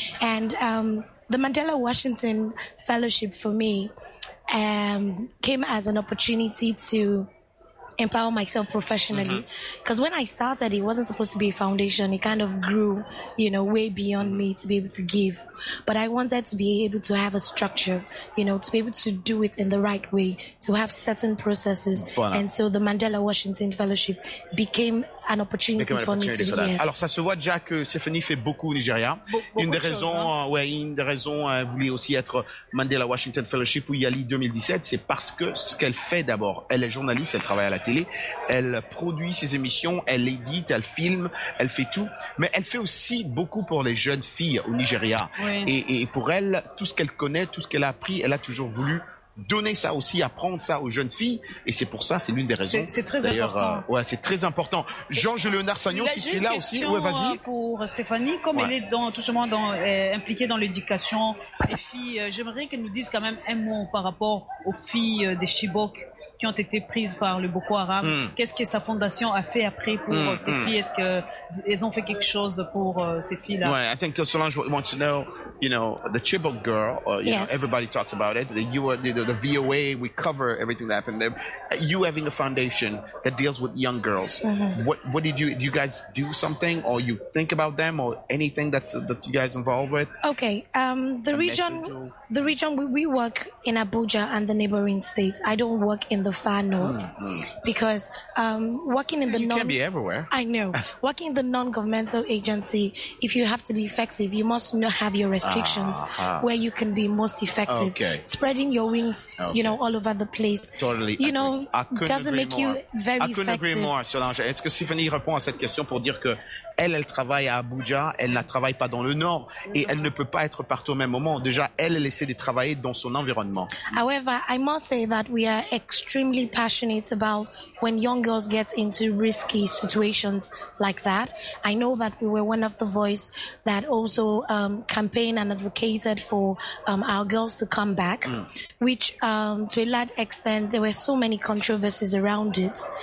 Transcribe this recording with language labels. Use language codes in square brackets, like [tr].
[en] And the Mandela Washington Fellowship for me came as an opportunity to empower myself professionally, because when I started, it wasn't supposed to be a foundation. It kind of grew, you know, way beyond me to be able to give. But I wanted to be able to have a structure, you know, to be able to do it in the right way, to have certain processes. [fr] Voilà. [en] And so the Mandela Washington Fellowship became an opportunity for me to do this. [fr] Alors ça se voit déjà que Stéphanie fait beaucoup au Nigeria. Une des raisons, elle voulait aussi être Mandela Washington Fellowship ou Yali 2017, c'est parce que ce qu'elle fait d'abord, elle est journaliste, elle travaille à la télé, elle produit ses émissions, elle édite, elle filme, elle fait tout, mais elle fait aussi beaucoup pour les jeunes filles au Nigeria. Et pour elle, tout ce qu'elle connaît, tout ce qu'elle a appris, elle a toujours voulu donner ça aussi, apprendre ça aux jeunes filles, et c'est pour ça, c'est l'une des raisons. C'est très d'ailleurs, important. Ouais, c'est très important. Jean-Léonard Sagnon, si tu es là aussi, ouais, vas-y. Pour Stéphanie, comme elle est dans, justement dans, impliquée dans l'éducation des filles, j'aimerais qu'elle nous dise quand même un mot par rapport aux filles des Chibok qui ont été prises par le Boko Haram. Mm. Qu'est-ce que sa fondation a fait après pour ces filles? Est-ce qu'elles ont fait quelque chose pour ces filles-là? Oui, je pense que Solange veut savoir. [en] You know, the Chibok girl, you know, everybody talks about it. The VOA, we cover everything that happened there. You having a foundation that deals with young girls. Mm-hmm. What did you, do you guys do something or you think about them or anything that you guys involved with? Okay. The region we work in Abuja and the neighboring states. I don't work in the far north because working in the You can be everywhere. I know. Working in the non-governmental agency, if you have to be effective, you must have your restrictions where you can be most effective. Okay. Spreading your wings, you know, all over the place. Totally. You know, doesn't make you very effective. I couldn't agree more, Solange. [fr] Est-ce que Stéphanie répond à cette question pour dire que elle travaille à Abuja, elle ne travaille pas dans le Nord et elle ne peut pas être partout au même moment. Déjà, elle essaie de travailler dans son environnement. [en] However, I must say that we are extremely passionate about when young girls get into risky situations like that. I know that we were one of the voices that also campaigned and advocated for our girls to come back, which to a large extent, there were so many controversies around it.